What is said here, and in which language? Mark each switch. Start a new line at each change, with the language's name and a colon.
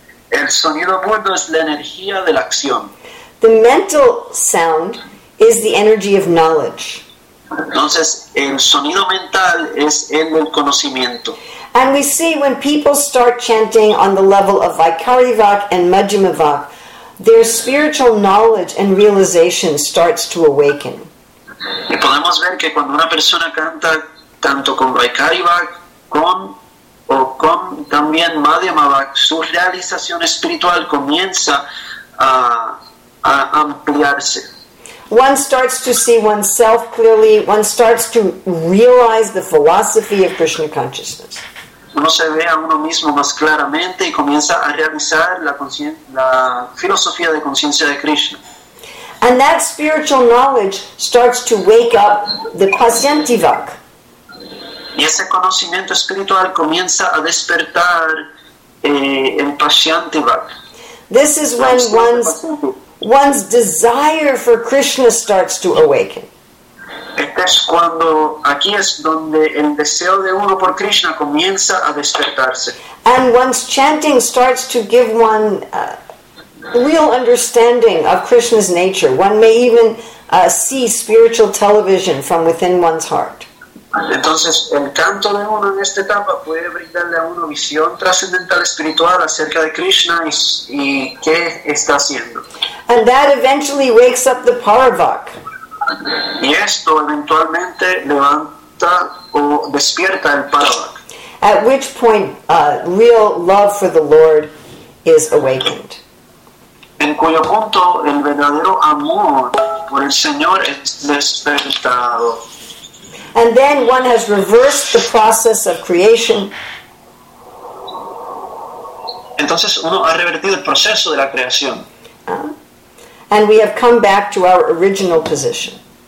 Spanish: El sonido burdo es la energía de la acción.
English: The mental sound is the energy of knowledge.
Spanish: Entonces, el sonido mental es el del conocimiento.
English: And we see when people start chanting on the level of Vaikari Vak and Majjhima Vak, their spiritual knowledge and realization starts to awaken.
Spanish: Y podemos ver que cuando una persona canta tanto con Vaikari Vak con también Madhyama Vak, su realización espiritual comienza a ampliarse.
English: One starts to see oneself clearly, one starts to realize the philosophy of Krishna consciousness.
Spanish: Uno se ve a uno mismo más claramente y comienza a realizar la filosofía de conciencia de Krishna.
English: And that spiritual knowledge starts to wake up the Pasyantivak.
Spanish: Y ese conocimiento espiritual comienza a despertar el Pasyantivak.
English: This is when one's desire for Krishna starts to awaken.
Spanish: Este es cuando, aquí es donde el deseo de uno por Krishna comienza a despertarse.
English: And one's chanting starts to give one real understanding of Krishna's nature. One may even see spiritual television from within one's heart.
Spanish: Entonces, el canto de uno en esta etapa puede brindarle a uno visión trascendental espiritual acerca de Krishna y qué está haciendo.
English: And that eventually wakes up the Paravak.
Spanish: Y esto eventualmente levanta o despierta el Paravak.
English: At which point, real love for the Lord is awakened.
Spanish: En cuyo punto el verdadero amor por el Señor es despertado.
English: And then one has reversed the process of creation.
Spanish: Entonces uno ha revertido el proceso de la creación.
English: And we have come back to our original position.